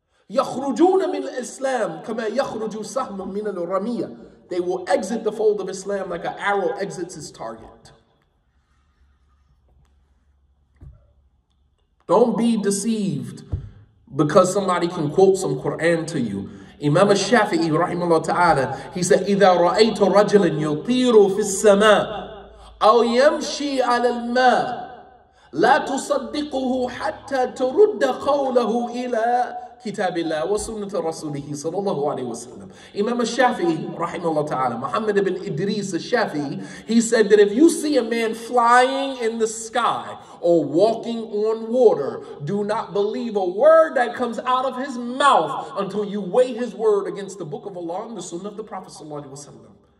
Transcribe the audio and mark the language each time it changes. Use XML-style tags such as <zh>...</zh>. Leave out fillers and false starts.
<ar>يَخْرُجُونَ مِنَ الْإِسْلَامِ كَمَا يَخْرُجُ سَهْمٌ مِنَ الرَّمِيَةِ.</ar> <en>They will exit the fold of Islam like an arrow exits its target. Don't be deceived because somebody can quote some Quran to you. Imam al-Shafi'i, rahimahullah ta'ala, he said,</en> <ar>إِذَا رَأَيْتَ رَجْلًا يُطِيرُ فِي السَّمَاءِ أَوْ يَمْشِي عَلَى الْمَاءِ لَا تُصَدِّقُهُ حَتَّى تُرُدَّ قَوْلَهُ إِلَى كِتَابِ اللَّهِ وَسُنَّةَ رَسُولِهِ صَلَى اللَّهُ عَلَيْهِ وَسَلَّمُ.</ar> <en>Imam al-Shafi'i, rahimahullah ta'ala, Muhammad ibn Idris al-Shafi'i, he said that if you see a man flying in the sky or walking on water, do not believe a word that comes out of his mouth until you weigh his word against the book of Allah and the Sunnah of the Prophet sallallahu alayhi wa sallam.</en>